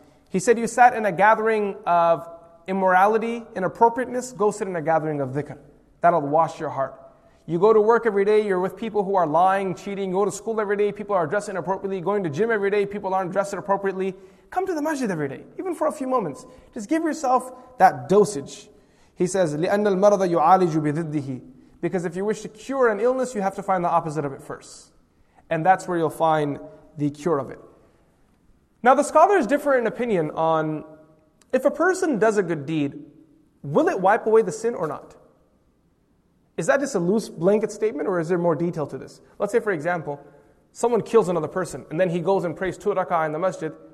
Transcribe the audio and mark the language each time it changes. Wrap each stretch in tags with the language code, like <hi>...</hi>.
<en>He said, you sat in a gathering of immorality, inappropriateness, go sit in a gathering of dhikr. That'll wash your heart. You go to work every day, you're with people who are lying, cheating, you go to school every day, people are dressed inappropriately, going to gym every day, people aren't dressed appropriately. Come to the masjid every day, even for a few moments. Just give yourself that dosage. He says,</en> <ar>لِأَنَّ الْمَرَضَ يُعَالِجُ بِذِدِّهِ.</ar> <en>Because if you wish to cure an illness, you have to find the opposite of it first. And that's where you'll find the cure of it. Now the scholars differ in opinion on, if a person does a good deed, will it wipe away the sin or not? Is that just a loose blanket statement, or is there more detail to this? Let's say, for example, someone kills another person, and then he goes and prays 2 rak'ah in the masjid.</en>